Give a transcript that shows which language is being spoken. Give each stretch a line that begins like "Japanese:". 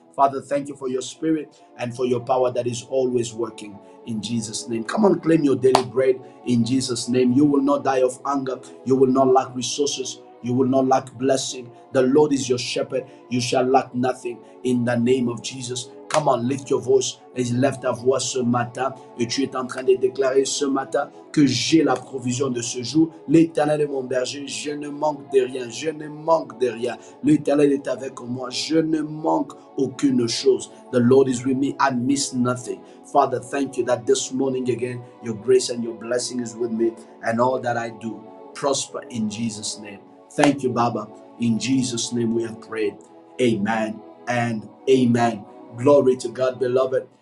English: Father, thank you for your spirit and for your power that is always working in Jesus' name. Come on, claim your daily bread in Jesus' name. You will not die of hunger. You will not lack resources. You will not lack blessing. The Lord is your shepherd. You shall lack nothing in the name of Jesus. Come on, lift your voice.
French: Lève ta voix ce matin et tu es en train de déclarer ce matin que j'ai la provision de ce jour. L'Éternel est mon berger, je ne manque de rien, je ne manque de rien. L'Éternel est avec moi, je ne manque aucune chose.
English: The Lord is with me, I miss nothing. Father, thank you that this morning again, your grace and your blessing is with me and all that I do prosper in Jesus' name. Thank you, Baba. In Jesus' name we have prayed. Amen and amen. Glory to God, beloved.